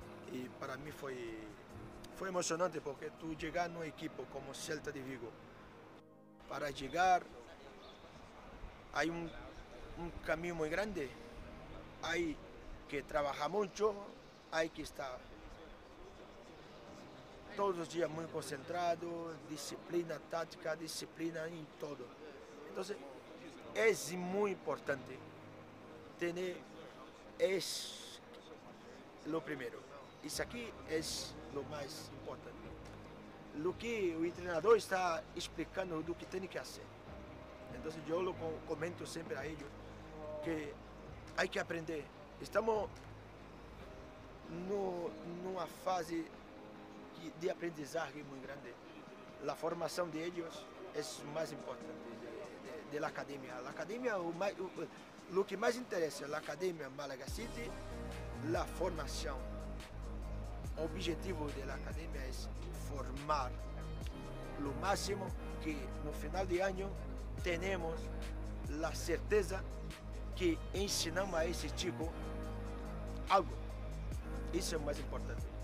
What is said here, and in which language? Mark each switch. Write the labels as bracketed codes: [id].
[es] Y para mí fue emocionante porque tú llegas a un equipo como Celta de Vigo, para llegar hay un camino muy grande, hay que trabajar mucho, hay que estar todos los días muy concentrado, disciplina táctica, disciplina en todo. Entonces es muy importante tener, es lo primero. [pt] Isso aqui é o mais importante. O que o treinador está explicando do que tem que fazer. Então, eu comento sempre a ele que há que aprender. Estamos numa fase de aprendizagem muito grande. A formação de eles é o mais importante da academia. A academia, o que mais interessa é a academia Malaga City, a formação. [es] O objetivo de la academia es formar lo máximo que en el final de año tenemos la certeza que enseñamos a ese chico algo. Eso es lo más importante.